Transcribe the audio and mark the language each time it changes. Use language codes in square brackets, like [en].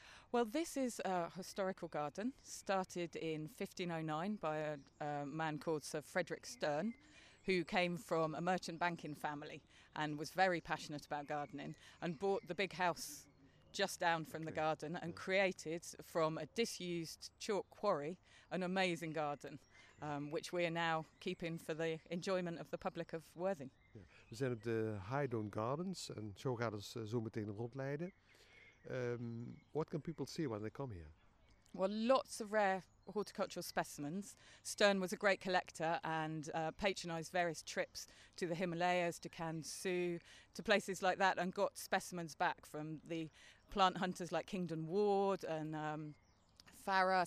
[en] Well, this is a historical garden, started in 1509 by a man called Sir Frederick Sterne, who came from a merchant banking family and was very passionate about gardening and bought the big house just down from the garden and created from a disused chalk quarry an amazing garden, which we are now keeping for the enjoyment of the public of Worthing. Yeah. [nl] We zijn op de Highdown Gardens en zo gaat ons zo meteen rondleiden. [en] What can people see when they come here? Well, lots of rare horticultural specimens. Sterne was a great collector and patronised various trips to the Himalayas, to Kansu, to places like that, and got specimens back from the plant hunters like Kingdon Ward and Farrar.